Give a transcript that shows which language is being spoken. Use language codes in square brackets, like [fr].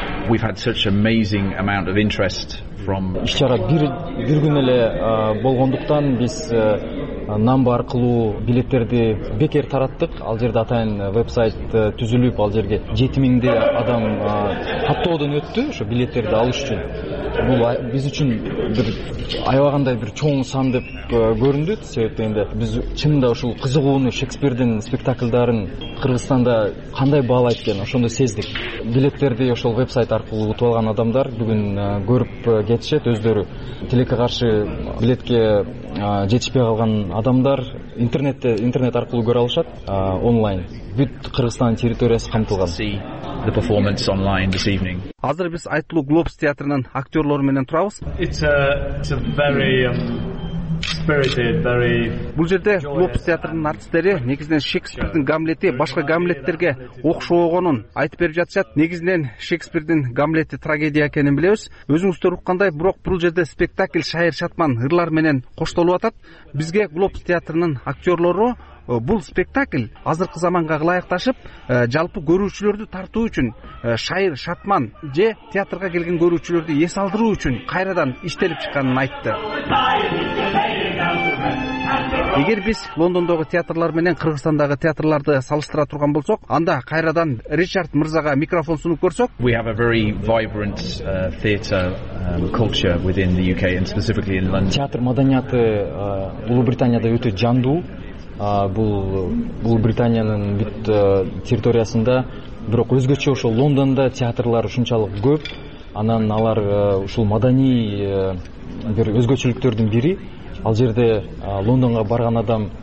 [en] We've had such amazing amount of interest from [ky] Ишчара бир күн эле болгондуктан биз намба аркылуу билеттерди бекер тараттык. Ал жерде атайын вебсайт түзүлүп, ал жерге 7000 адам каттоодон өттү ошо билеттерди алыш үчүн. Бул биз үчүн бир аябагандай бир чоң сан деп көрүндү. Себеп дегенде биз чынында ушул кызыгууну Шекспирдин спектакльдарын Кыргызстанда кандай баалайт экен ошондо сездик. Билеттерди ошол вебсайт аркылуу утуп алган адамдар бүгүн көрүп кетишет өздөрү. Тилекке каршы билетке жетишпей калган адамдар интернет аркылуу көрө алышат онлайн. Бүт Кыргызстан территориясы камтылган. [en] The performance online this evening. [ky] Азыр биз айтылуу Глобус театрынын актёрлору менен турабыз. [en] It's a very spirited, very [ky] Бул жерде Глобус театрынын артисттери негизинен Шекспирдин Гамлети башка Гамлеттерге окшогонун айтып берип жатышат. Негизинен Шекспирдин Гамлети трагедия экенин билебиз. Өзүңүздөр уккандай, бирок бул жерде спектакль шайыр шатман ырлар менен коштолуп атат. Бизге Глобус театрынын актёрлору бул спектакль азыркы заманга ылайыкташып, жалпы көрүүчүлөрдү тартуу үчүн шайыр шатман же театрга келген көрүүчүлөрдү эс алдыруу үчүн кайрадан иштелип чыкканын айтты. Эгер биз Лондондогу театрлар менен Кыргызстандагы театрларды салыштыра турган болсок, анда кайрадан Ричард Мырзага микрофон сунуп көрсөк. [en] We have a very vibrant theatre culture within the UK and specifically in London. [ky] Театр маданияты Улуу Британияда өтө жандуу. Бул Британиянын бүт территориясында, бирок өзгөчө ошол Лондондо театрлар ушунчалык көп. Анан алар ушул маданий бир өзгөчөлүктөрдүн бири. Ал жерде Лондонго барган адам